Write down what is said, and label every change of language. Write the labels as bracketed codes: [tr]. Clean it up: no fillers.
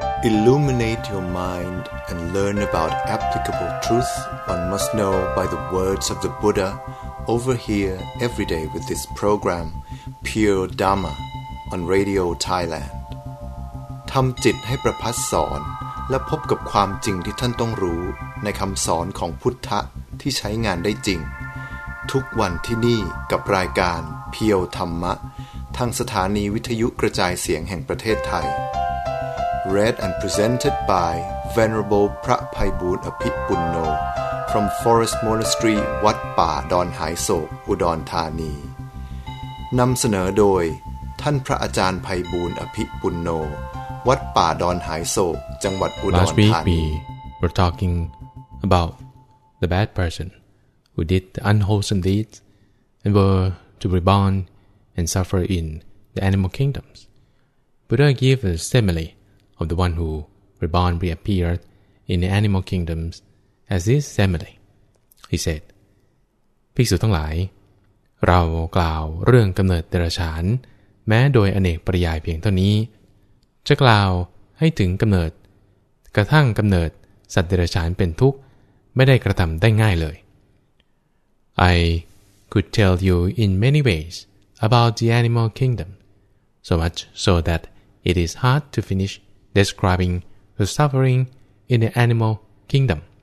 [en] Illuminate your mind and learn about applicable truth one must know by the words of the Buddha over here every day with this program, Pure Dharma, on Radio Thailand. [th] ทำจิตให้ประพัสสอนและพบกับความจริงที่ท่านต้องรู้ในคำสอนของพุทธะที่ใช้งานได้จริงทุกวันที่นี่กับรายการเพียวธรรมะทางสถานีวิทยุกระจายเสียงแห่งประเทศไทย [en] Read and presented by Venerable [th] พระไพบูลย์อภิปุณโญ [en] from Forest Monastery [th] วัดป่าดอนหายโศกอุดรธานีนำเสนอโดยท่านพระอาจารย์ไพบูลย์อภิปุณโญวัดป่าดอนหายโศกจังหวัดอุดรธานี [en] Last week we were talking about the bad personWho did the unwholesome deeds and were to be born and suffer in the animal kingdoms. Buddha gave a simile of the one who reborn reappeared in the animal kingdoms as this simile. He said, [th] ภิกษุทั้งหลายเรากล่าวเรื่องกำเนิดเดรัจฉานแม้โดยอเนกปริยายเพียงเท่านี้จะกล่าวให้ถึงกำเนิดกระทั่งกำเนิดสัตว์เดรัจฉานเป็นทุกข์ไม่ได้กระทำได้ง่ายเลย [en] I could tell you in many ways about the animal kingdom, so much so that it is hard to finish describing the suffering in the animal kingdom.